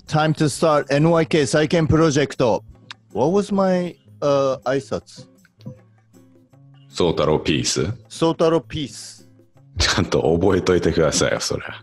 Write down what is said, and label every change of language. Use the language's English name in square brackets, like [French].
[English] Time to start NYK [Japanese] 再建プロジェクト。 [English] What was my、挨拶? [Japanese] ソータローピース。ソータローピース。ちゃんと覚えといてくださいよ、それ。